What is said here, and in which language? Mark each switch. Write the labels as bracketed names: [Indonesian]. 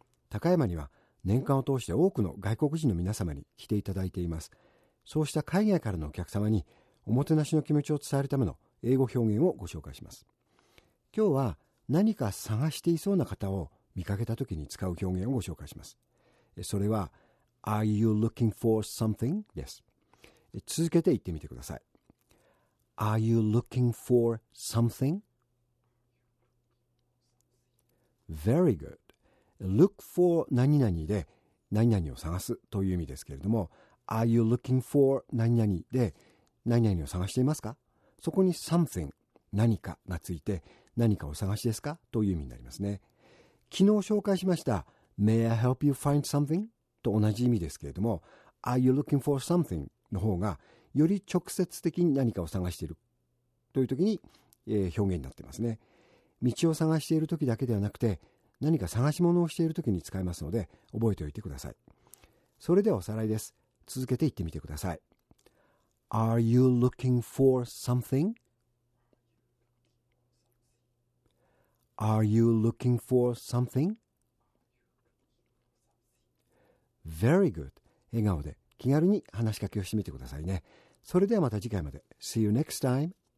[Japanese] 高山には年間を通して多くの外国人の皆様に来ていただいています。そうした海外からのお客様におもてなしの気持ちを伝えるための英語表現をご紹介します。今日は何か探していそうな方を見かけた時に使う表現をご紹介します。それは [English] Are you looking for something? [Japanese] です。続けて言ってみてください。 [English] Are you looking for something? Very good. Look for [Japanese] 何々で何々を探すという意味ですけれども、 [English] Are you looking for [Japanese] 何々で何々を探していますか？そこに something 何かがついて何かを探しですかという意味になりますね。昨日紹介しました [English] May I help you find something? [Japanese] と同じ意味ですけれども、 [English] Are you looking for something? [Japanese] の方がより直接的に何かを探しているという時に表現になっていますね。道を探している時だけではなくて何か探し物をしている時に使いますので覚えておいてください。それではおさらいです。続けて言ってみてください。 [English] Are you looking for something? Are you looking for something? Very good. [Japanese] 笑顔で気軽に話しかけをしてみてくださいね。それではまた次回まで。 [English] See you next time.